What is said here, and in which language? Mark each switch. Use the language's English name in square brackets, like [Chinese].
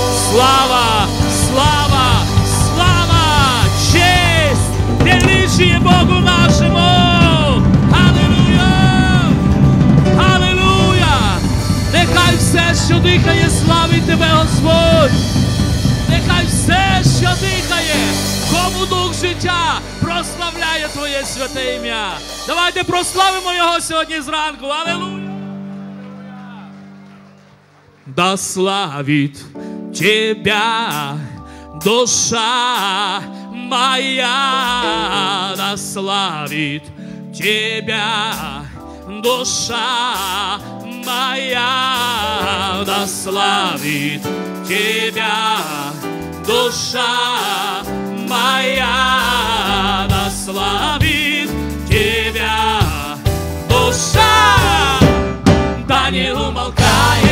[Russian] Слава, слава, слава, честь величие Богу нашему! Аллилуйя! Аллилуйя! [Ukrainian] Нехай все, що дихає, славить тебе, Господь! Нехай все, що дихає, кому дух життя, прославляє твоє святе ім'я! Давайте прославимо його сьогодні зранку! [Russian] Аллилуйя! Да славит тебя душа моя, да славит тебя душа моя, да славит тебя душа моя, да славит тебя душа, да не умолкает.